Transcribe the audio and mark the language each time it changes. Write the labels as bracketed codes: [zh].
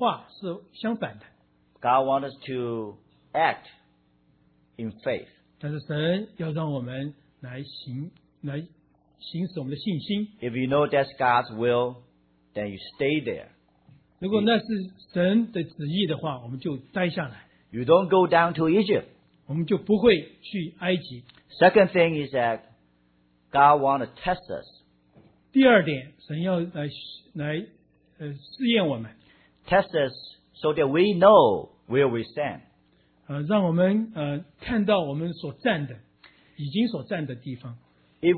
[zh] 常常我们所看见的、所听见的和神所讲的话是相反的。 [en] God wants us to act in faith. [zh] 但是神要让我们来行使我们的信心。 [en] If you know that's God's will, then you stay there. [zh] 如果那是神的旨意的话，我们就待下来。 [en] You don't go down to Egypt. [zh] 我们就不会去埃及。 [en] Second thing is that God wants to test us. [zh] 第二点，神要来试验我们。 [en] Test us so that we know where we stand. [zh] 让我们看到我们所站的，已经所站的地方。 [en] If